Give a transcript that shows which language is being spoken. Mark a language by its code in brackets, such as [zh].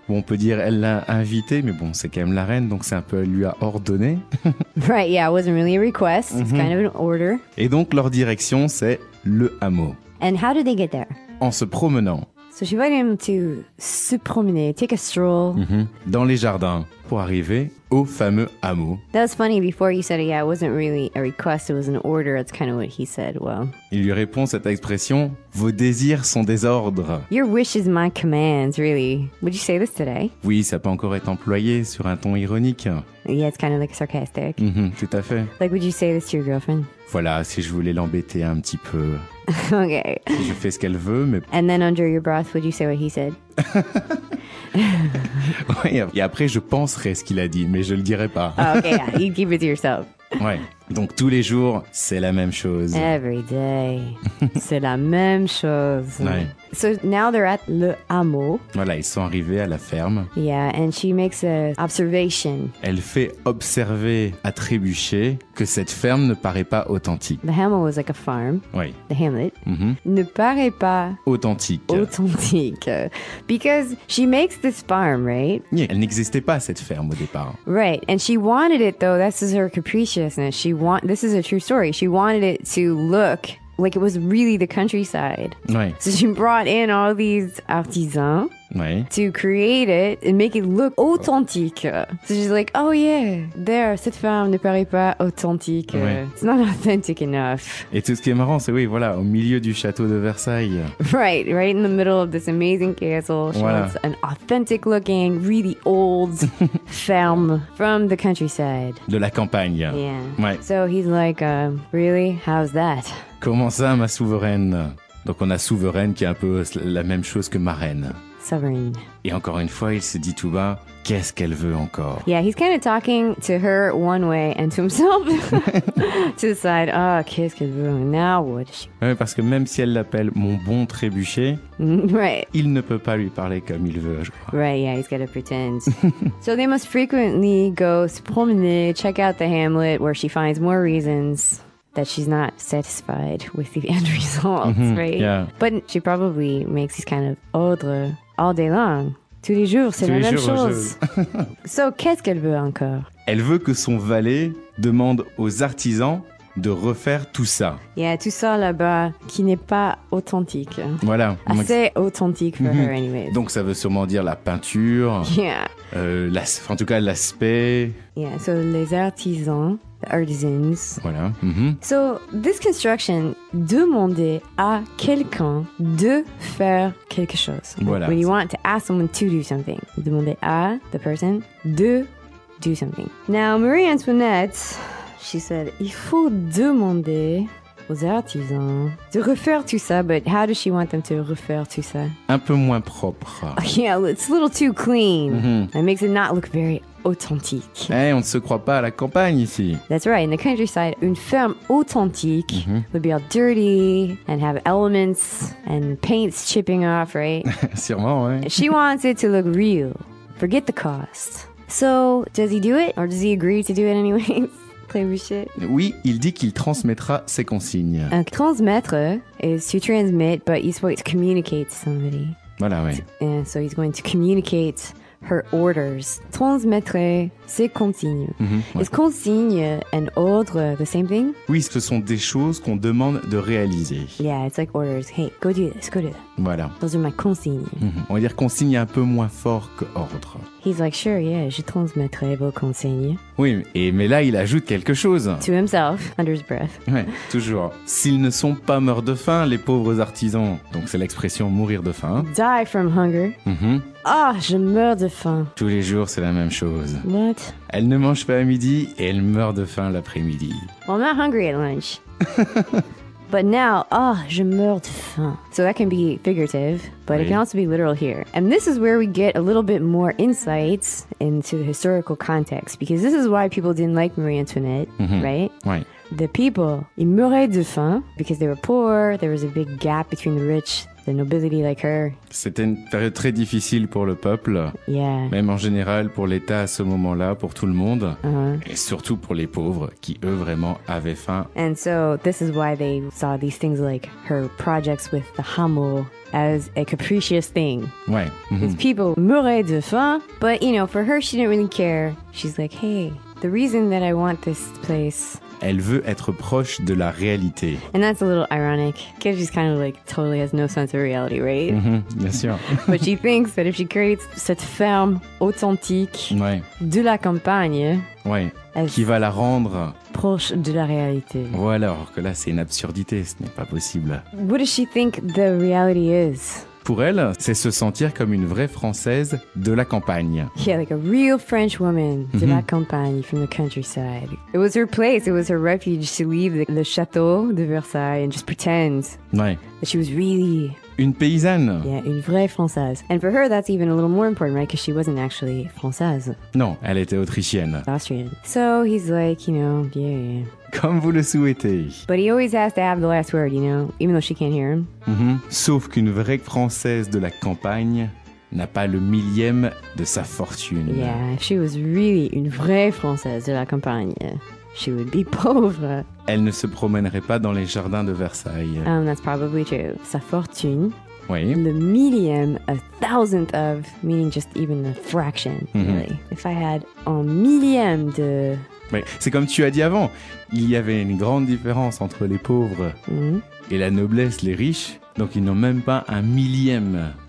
[fr] Bon, on peut dire elle l'a invité, mais bon, c'est quand même la reine, donc c'est un peu elle lui a ordonné. [en] Right, yeah, it wasn't really a request, it's kind of an order. [fr] Et donc leur direction, c'est le hameau. [en] And how did they get there? [fr] En se promenant. [en] So she invited him to [fr] se promener, [en] take a stroll. Mm-hmm. [fr] Dans les jardins, pour arriver au fameux hameau. [en] That was funny, before you said it, yeah, it wasn't really a request, it was an order, that's kind of what he said, well. [fr] Il lui répond cette expression, vos désirs sont des ordres. [en] Your wish is my command, really. Would you say this today? [fr] Oui, ça peut encore être employé sur un ton ironique. [en] Yeah, it's kind of like sarcastic. [fr] Mm-hmm, tout à fait. [en] Like, would you say this to your girlfriend? [fr] Voilà, si je voulais l'embêter un petit peu... [en] Okay. [fr] Je fais ce qu'elle veut, mais... [en] And then under your breath, would you say what he said? [fr] Ouais, et après, je penserai ce qu'il a dit, mais je le dirai pas. [en] Okay, yeah, you keep it to yourself. [fr] Ouais, donc tous les jours, c'est la même chose. [en] Every day, [fr] c'est la même chose. Ouais. [en] So now they're at le hameau. [fr] Voilà, ils sont arrivés à la ferme. [en] Yeah, and she makes an observation. [fr] Elle fait observer à Trébuchet que cette ferme ne paraît pas authentique. [en] The hameau was like a farm. [fr] Oui. [en] The hamlet. Mm-hmm. [fr] Ne paraît pas... authentique. Authentique. [en] Because she makes this farm, right? [fr] Yeah, elle n'existait pas cette ferme au départ. [en] Right, and she wanted it though. This is her capriciousness. She want. This is a true story. She wanted it to look... like it was really the countryside. [fr] Ouais. [en] So she brought in all these artisans. [fr] Ouais. [en] To create it and make it look authentic. So she's like, oh yeah, there, [fr] cette femme ne paraît pas authentique. Ouais. [en] It's not authentic enough. [fr] Et tout ce qui est marrant, c'est oui, voilà, au milieu du château de Versailles. [en] Right, right in the middle of this amazing castle. She [fr] voilà. [en] Wants an authentic looking, really old farm from the countryside. [fr] De la campagne. [en] Yeah. [fr] Ouais. [en] So he's like, really, how's that? [fr] Comment ça, ma souveraine? Donc on a souveraine qui est un peu la même chose que marraine. [en] Sovereign. [fr] Et encore une fois, il se dit tout bas, qu'est-ce qu'elle veut encore? [en] Yeah, he's kind of talking to her one way and to himself to the side. [fr] Ah, oh, qu'est-ce qu'elle veut? [en] Now what? [fr] Oui, parce que même si elle l'appelle mon bon Trébuchet, [en] right. [fr] Il ne peut pas lui parler comme il veut, je crois. [en] Right, yeah, he's got to pretend. So they must frequently go [fr] se promener, [en] check out the hamlet where she finds more reasons that she's not satisfied with the end results, mm-hmm, right? Yeah. But she probably makes these kind of ordres all day long. [fr] Tous les jours, c'est tous la même jours, chose. Je... So, qu'est-ce qu'elle veut encore? Elle veut que son valet demande aux artisans de refaire tout ça. Il y a tout ça là-bas qui n'est pas authentique. Voilà. Assez authentique pour [en] her anyway. [fr] Donc ça veut sûrement dire la peinture. [en] Yeah. [fr] En tout cas, l'aspect. [en] Yeah, so les artisans, the artisans. [fr] Voilà. [en] So this construction [fr] demandait à quelqu'un de faire quelque chose. Voilà. [en] When you want to ask someone to do something, demander à the person de do something. Now, Marie Antoinette, she said, [fr] il faut demander aux artisans de refaire tout ça, [en] but how does she want them to [fr] refaire tout ça? Un peu moins propre. [en] Oh, yeah, it's a little too clean. That makes it not look very authentique. [fr] Hey, on ne se croit pas à la campagne ici. [en] That's right. In the countryside, [fr] une ferme authentique [en] would be all dirty and have elements and paints chipping off, right? [fr] Sûrement, ouais. [en] She wants it to look real. Forget the cost. So, does he do it? Or does he agree to do it anyways? Play Boucher. [fr] Oui, il dit qu'il transmettra ses consignes. [en] Transmettre is to transmit, but he's going to communicate to somebody. [fr] Voilà, oui. [en] And so he's going to communicate her orders. [fr] Transmettre ses consignes. [en] Is consigne and ordre the same thing? [fr] Oui, ce sont des choses qu'on demande de réaliser. [en] Yeah, it's like orders. Hey, go do this, go do that. [fr] Voilà. [en] Those are my consignes. [fr] On va dire consigne un peu moins fort qu'ordre. [en] He's like, sure, yeah, [fr] je transmettrai vos consignes. Oui, et, mais là, il ajoute quelque chose. [en] To himself, under his breath. [fr] Oui, toujours. S'ils ne sont pas morts de faim, les pauvres artisans. Donc, c'est l'expression mourir de faim. [en] Die from hunger. [fr] Ah, je meurs de faim. Tous les jours, c'est la même chose. [en] What? [fr] Elle ne mange pas à midi et elle meurt de faim l'après-midi. [en] Well, I'm not hungry at lunch. But now, oh, [fr] je meurs de faim. [en] So that can be figurative, but it can also be literal here. And this is where we get a little bit more insights into the historical context, because this is why people didn't like Marie Antoinette, right? Right. The people, [fr] ils mouraient de faim, [en] because they were poor, there was a big gap between the rich, the nobility like her. [fr] C'était une période très difficile pour le peuple, [en] yeah. [fr] Même en général pour l'État à ce moment-là, pour tout le monde, et surtout pour les pauvres qui, eux, vraiment avaient faim. [en] And so, this is why they saw these things like her projects with the hamul as a capricious thing. [fr] Ouais. [en] These people [fr] mouraient de faim, [en] but, you know, for her, she didn't really care. She's like, hey, the reason that I want this place... [fr] Elle veut être proche de la réalité. [en] And that's a little ironic, because she's kind of like totally has no sense of reality, right? [fr] Bien sûr. [en] But she thinks that if she creates [fr] cette ferme authentique de la campagne, qui va la rendre proche de la réalité. Voilà, alors que là, c'est une absurdité, ce n'est pas possible. [en] What does she think the reality is? [fr] Pour elle, c'est se sentir comme une vraie Française de la campagne. [en] Yeah, like a real French woman [fr] de la campagne, [en] from the countryside. It was her place, it was her refuge to leave the château de Versailles and just pretend that she was really... [fr] Une paysanne. Yeah, une vraie Française. [en] And for her, that's even a little more important, right? Because she wasn't actually Française. [fr] Non, elle était autrichienne. [en] Austrian. So he's like, you know, yeah. [fr] Comme vous le souhaitez. [en] But he always has to have the last word, you know, even though she can't hear him. [fr] Sauf qu'une vraie Française de la campagne n'a pas le millième de sa fortune. [en] Yeah, if she was really [fr] une vraie Française de la campagne, [en] she would be [fr] pauvre. Elle ne se promènerait pas dans les jardins de Versailles. [en] That's probably true. [fr] Sa fortune. Oui. [en] The millième, a thousandth of, meaning just even a fraction, really. If I had [fr] un millième de... Oui. C'est comme tu as dit avant, il y avait une grande différence entre les pauvres et la noblesse, les riches, donc ils n'ont même pas un millième.